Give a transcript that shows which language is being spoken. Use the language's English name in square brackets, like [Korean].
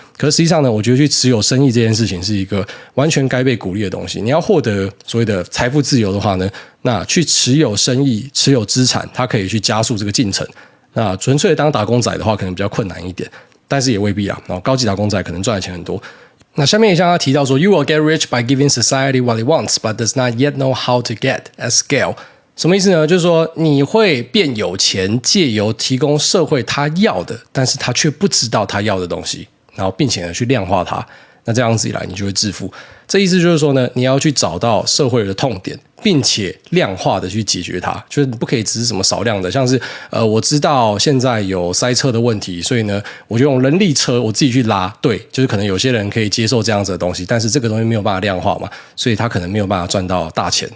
[Chinese] 可是实际上呢，我觉得去持有生意这件事情是一个完全该被鼓励的东西。你要获得所谓的财富自由的话呢，那去持有生意，持有资产，它可以去加速这个进程。那纯粹当打工仔的话可能比较困难一点，但是也未必啦，高级打工仔可能赚的钱很多。 [English] 那下面一项他提到说 You will get rich by giving society what it wants but does not yet know how to get at scale， [Chinese] 什么意思呢？就是说你会变有钱借由提供社会他要的，但是他却不知道他要的东西，然后并且去量化它，那这样子以来你就会致富。这意思就是说呢，你要去找到社会的痛点并且量化的去解决它，就是不可以只是什么少量的，像是我知道现在有塞车的问题，所以呢我就用人力车我自己去拉，对，就是可能有些人可以接受这样子的东西，但是这个东西没有办法量化嘛，所以他可能没有办法赚到大钱。